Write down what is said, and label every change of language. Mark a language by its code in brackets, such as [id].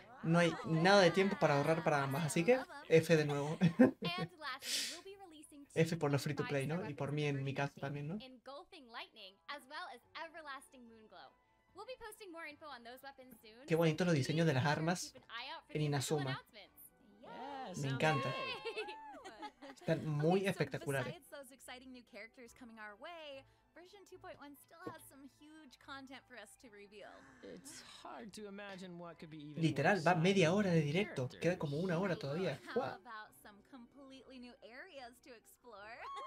[es] No hay nada de tiempo para ahorrar para ambas, así que F de nuevo. [en] And lastly, we'll be releasing [es] F por los free to play, ¿no? Y por mí en mi caso también, ¿no? [en] Engulfing Lightning, as well as Everlasting Moonglow. We'll be posting more info on those weapons soon. [es] Qué bonito los diseños de las armas en Inazuma. Me encanta. Están muy espectaculares. [en] Besides those exciting new characters coming our way, version 2.1 still has some huge content for us to reveal. It's hard to imagine what could be even. [es] Literal, va media hora de directo. Queda como una hora todavía. [en] How about some completely new areas to explore?